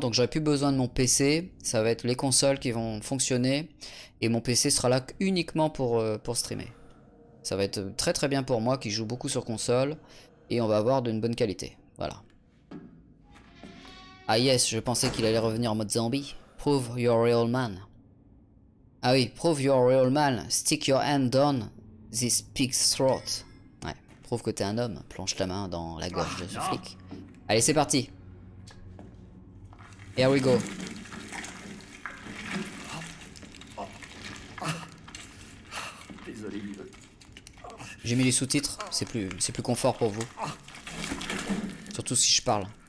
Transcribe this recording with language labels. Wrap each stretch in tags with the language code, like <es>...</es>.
<fr>Donc, j'aurais plus besoin de mon PC. Ça va être les consoles qui vont fonctionner et mon PC sera là uniquement pour streamer. Ça va être très très bien pour moi qui joue beaucoup sur console. Et on va avoir d'une bonne qualité. Voilà.</fr> <en>Ah yes,</en> <fr>je pensais qu'il allait revenir en mode zombie.</fr> <en>Prove you're a real man.</en> <fr>Ah oui,</fr> <en>prove you're a real man. Stick your hand down this pig's throat.</en> <fr>Ouais, prouve que t'es un homme. Plonge ta main dans la gorge de ce flic. Allez, c'est parti.</fr> <en>Here we go.</en> <fr>Désolé. J'ai mis les sous-titres, c'est plus confort pour vous. Surtout si je parle.</fr>